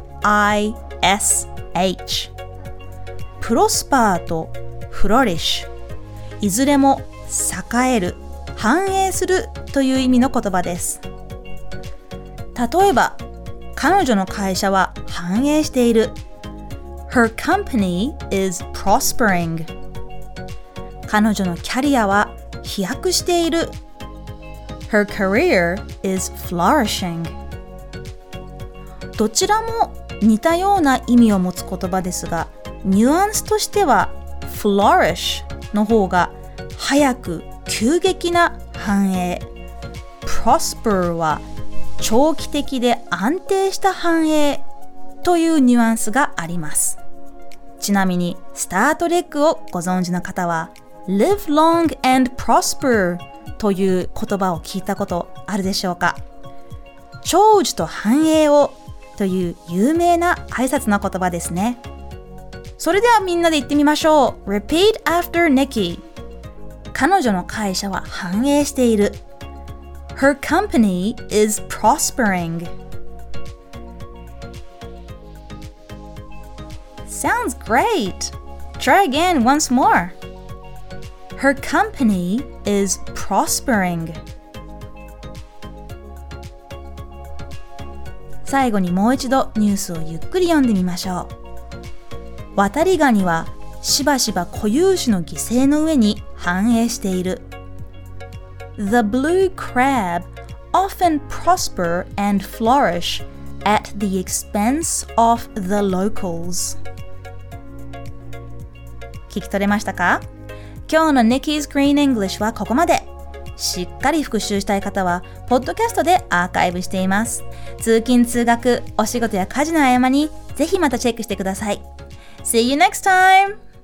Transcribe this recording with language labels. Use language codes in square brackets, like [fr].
[ja] F-L-O-U-R-I-S-H プロスパーとフロリッシュ、いずれも栄える、繁栄するという意味の言葉です。例えば彼女の会社は繁栄している。 [en] Her company is prospering。 [ja] 彼女のキャリアは飛躍している。 [en] Her career is flourishing。 [ja] どちらも似たような意味を持つ言葉ですが、ニュアンスとしては flourish の方が早く急激な繁栄、 prosper は長期的で安定した繁栄というニュアンスがあります。ちなみにスタートレックをご存知の方は [en] live long and prosper [ja] という言葉を聞いたことあるでしょうか。長寿と繁栄をという有名な挨拶の言葉ですね。それではみんなで言ってみましょう。 [en] Repeat after Nikki。 [ja] 彼女の会社は繁栄している。 [en] Her company is prospering。 Sounds great! Try again once more。 Her company is prospering. [ja] 最後にもう一度ニュースをゆっくり読んでみましょう。渡りガニはしばしば固有種の犠牲の上に繁栄している。 [en] The blue crab often prosper and flourish at the expense of the locals. [ja] 聞き取れましたか？今日の Nikki's Green English はここまで。しっかり復習したい方はポッドキャストでアーカイブしています。通勤通学、お仕事や家事の合間にぜひまたチェックしてください。 [en] See you next time。